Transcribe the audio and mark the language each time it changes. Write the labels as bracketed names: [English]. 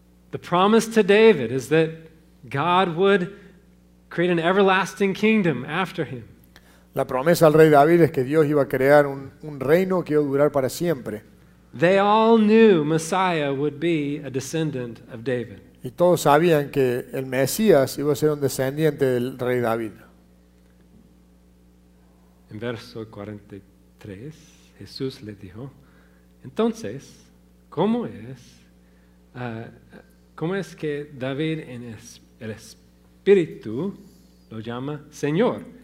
[English] The promise to David is that God would create an everlasting kingdom after him. [Spanish] La promesa al rey David es que Dios iba a crear un reino que iba a durar para siempre. [English] They all knew Messiah would be a descendant of David. [Spanish] Y todos sabían que el Mesías iba a ser un descendiente del rey David. En verso 43, Jesús le dijo: Entonces, ¿cómo es que David en el Espíritu lo llama Señor?